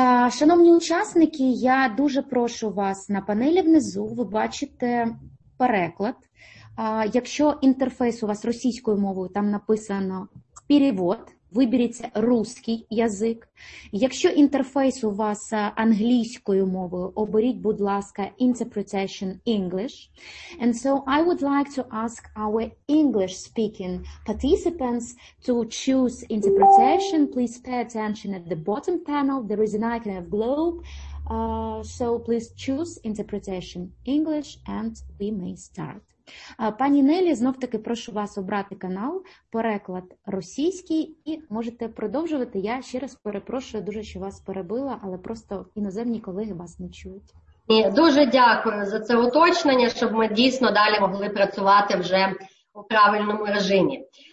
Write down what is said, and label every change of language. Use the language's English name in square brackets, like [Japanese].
[Ukrainian] Шановні учасники, я дуже прошу вас на панелі внизу, ви бачите переклад. Якщо інтерфейс у вас російською мовою, там написано «перевод», виберіться [Russian] «русський язик». [Ukrainian] Якщо інтерфейс у вас англійською мовою, оберіть, будь ласка, [English] «interpretation English». And so I would like to ask our English-speaking participants to choose interpretation. Please pay attention at the bottom panel. There is an icon of globe. So please choose interpretation English and we may start. [Ukrainian] Пані Нелі, знов-таки прошу вас обрати канал, переклад російський, і можете продовжувати. Я ще раз перепрошую дуже, що вас перебила, але просто іноземні колеги вас не чують. Ні, дуже дякую за це уточнення, щоб ми дійсно далі могли працювати вже у правильному режимі.